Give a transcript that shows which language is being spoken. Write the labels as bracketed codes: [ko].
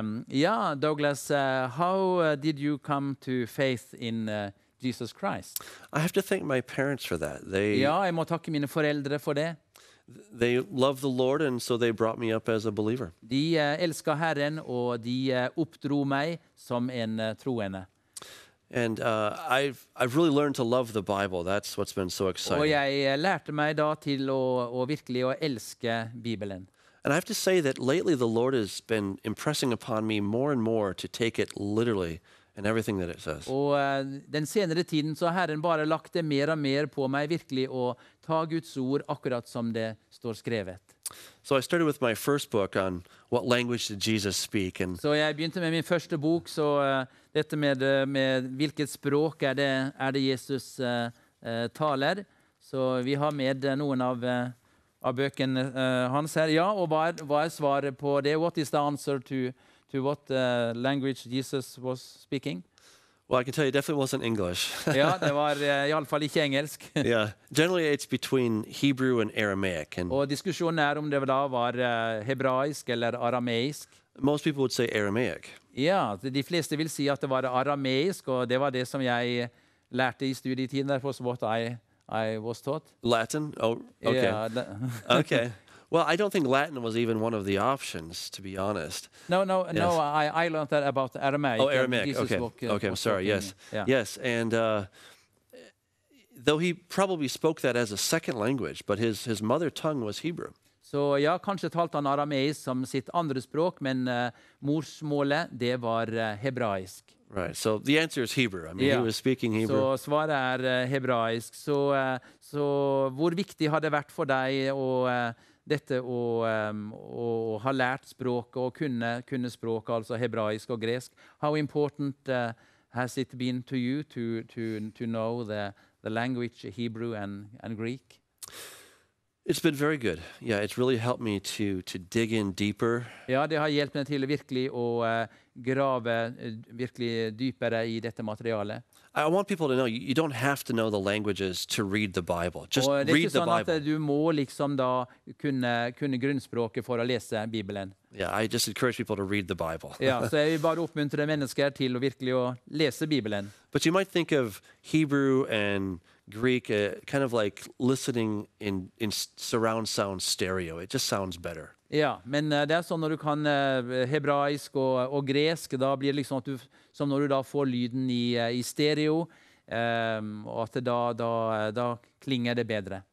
[en] Ja, Douglas, how did you come to faith in Jesus Christ? I have to thank my parents for that. They, [no] ja, jeg må takke mine foreldre for det. [en] They love the Lord, and so they brought me up as a believer. [no] De elsker Herren, og de oppdro meg som en troende. [en] And I've really learned to love the Bible. That's what's been so exciting. [no] Og jeg lærte meg da til å virkelig å elske Bibelen. [en] And I have to say that lately the Lord has been impressing upon me more and more to take it literally. And everything that it says. [no] Og den senere tiden så har Herren bare lagt det mer og mer på meg virkelig å ta Guds ord akkurat som det står skrevet. [en] So I started with my first book on what language did Jesus speak. And [no] så jeg begynte med min første bok, så dette med hvilket språk er det Jesus taler. Så vi har med noen av bøkene hans her. Ja, og hva er svaret på det? [en] What is the answer to what language Jesus was speaking? Well, I can tell you, it definitely wasn't English. [no] Ja, det var i alle fall ikke engelsk. [en] Yeah, generally it's between Hebrew and Aramaic. [no] Og diskusjonen er om det da var hebraisk eller arameisk. [en] Most people would say Aramaic. [no] Ja, de fleste vil si at det var arameisk, og det var det som jeg lærte i studietiden derpå, så [en] what I was taught. Latin? Oh, okay. Yeah. Okay. Well, I don't think Latin was even one of the options, to be honest. No. I learned that about Aramaic. Oh, Aramaic. Okay. I'm sorry. Yes. Yeah. Yes. And though he probably spoke that as a second language, but his mother tongue was Hebrew. [no] Så ja, kanskje talte han arameisk som sitt andre språk, men morsmålet, det var hebraisk. [en] Right, so the answer is Hebrew. I mean, yeah. He was speaking Hebrew. [no] Så svaret er hebraisk. Så hvor viktig har det vært for deg å ha lært språket og kunne språket, altså hebraisk og gresk? [en] How important has it been to you to know the language Hebrew and Greek? It's been very good. Yeah, it's really helped me to dig in deeper. [no] Ja, det har hjulpet meg til virkelig å grave virkelig dypere i dette materialet. [en] I want people to know you don't have to know the languages to read the Bible. Just read the Bible. [no] Det er ikke sånn at du må liksom da kunne grunnspråket for å lese Bibelen. [en] Yeah, I just encourage people to read the Bible. [no] Ja, så jeg vil bare oppmuntre mennesker til å virkelig å lese Bibelen. [en] But you might think of Hebrew and Greek, kind of like listening in surround sound stereo. It just sounds better. [no] Ja, men det er sånn når du kan hebraisk og gresk, da blir det liksom at du, som når du da får lyden i stereo, og at da klinger det bedre.